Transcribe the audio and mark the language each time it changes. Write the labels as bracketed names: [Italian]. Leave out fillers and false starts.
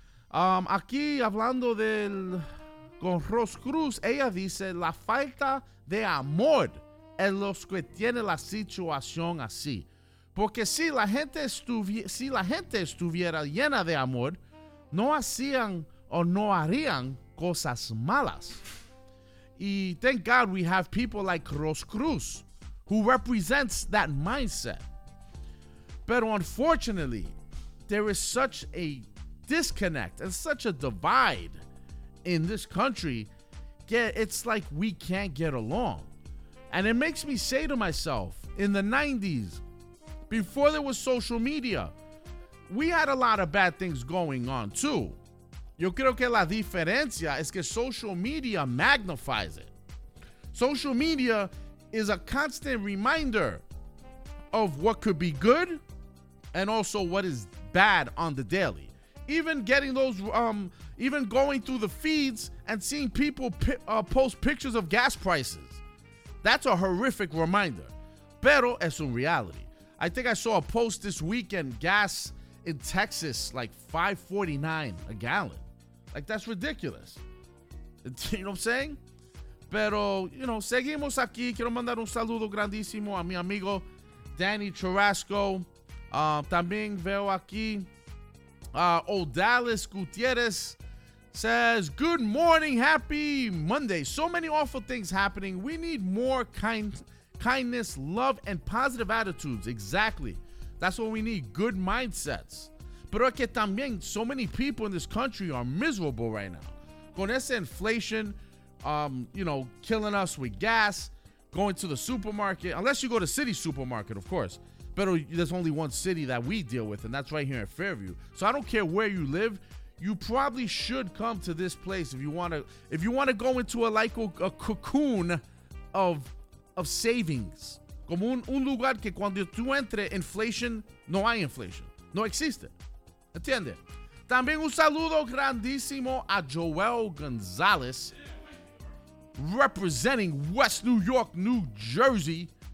[Spanish] Aquí hablando del con Rose Cruz, ella dice la falta de amor en los que tiene la situación así. Porque si la gente estuviera llena de amor, no hacían o no harían cosas malas. [English] Y thank God we have people like Rose Cruz who represents that mindset. But unfortunately, there is such a disconnect and such a divide in this country that it's like we can't get along. And it makes me say to myself, in the 90s, before there was social media, we had a lot of bad things going on too. [Spanish] Yo creo que la diferencia es que [English] social media magnifies it. Social media is a constant reminder of what could be good and also what is bad on the daily. Even getting those, even going through the feeds and seeing people post pictures of gas prices. That's a horrific reminder. [Spanish] Pero es un [English] reality. I think I saw a post this weekend, gas in Texas, like $5.49 a gallon. Like, that's ridiculous. You know what I'm saying? Pero, you know, [Spanish] seguimos aquí. Quiero mandar un saludo grandísimo a mi amigo Danny Churrasco. También veo aquí [English] Odalis Gutierrez says, good morning, happy Monday. So many awful things happening. We need more kindness, love, and positive attitudes. Exactly. That's what we need, good mindsets. [Spanish] Pero que también [English] so many people in this country are miserable right now. [Spanish] Con esa [English] inflation, you know, killing us with gas, going to the supermarket, unless you go to City Supermarket, of course. But there's only one city that we deal with, and that's right here in Fairview. So I don't care where you live. You probably should come to this place if you want to. If you want to go into a cocoon of savings. [Spanish] Como un lugar que cuando tú entres, inflation, no hay inflation. No existe. ¿Entiende? También un saludo grandísimo a Joel Gonzalez, representing West New York, New Jersey.